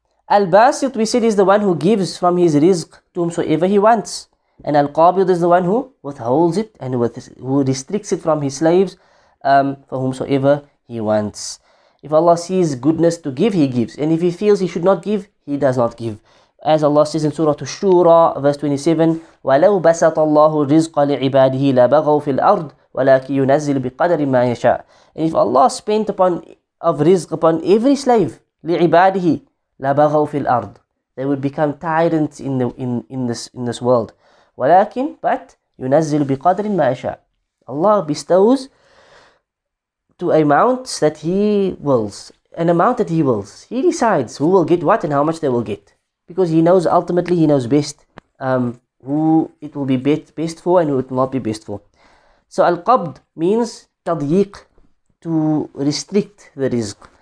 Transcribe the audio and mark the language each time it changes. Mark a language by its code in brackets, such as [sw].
[en] Al-Basit, we said, is the one who gives from his rizq to whomsoever he wants. And Al-Qabid is the one who withholds it and who restricts it from his slaves for whomsoever he wants. If Allah sees goodness to give, He gives. And if He feels He should not give, He does not give. As Allah says in Surah Ash-Shura, verse 27, [ar] وَلَوْ بَسَطَ اللَّهُ الرِّزْقَ لِعِبَادِهِ لَبَغَوْا فِي الْأَرْضِ وَلَكِ يُنَزِّلْ بِقَدْرِ مَا يَشَاءُ. [en] And if Allah spent upon every slave, [ar] لِعِبَادِهِ لَبَغَوْا فِي الْأَرْضِ, [en] they would become tyrants in this world. [ar] وَلَكِنْ [en] but [ar] يُنَزِّلْ بِقَدْرِ مَا يَشَاءُ. [en] Allah bestows to amounts that He wills, an amount that He wills. He decides who will get what and how much they will get. Because he knows best who it will be best for and who it will not be best for. So Al-Qabd means tadyiq, to restrict the rizq.